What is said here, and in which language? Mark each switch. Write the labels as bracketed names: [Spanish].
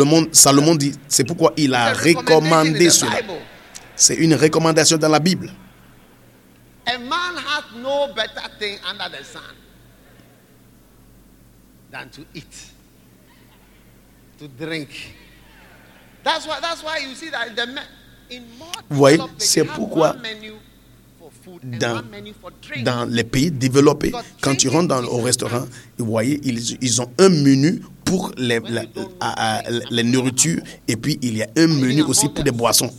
[French] Salomon dit, c'est pourquoi il a recommandé cela. C'est une recommandation dans la Bible. [English] A man hath no better thing under the sun than to eat, to drink. That's why you see that the men in more developed places have one menu for food and one menu for drink. [French] Dans les pays développés, quand tu rentres au restaurant, vous voyez, ils ont un menu pour les nourritures, et puis il y a un menu aussi pour des boissons.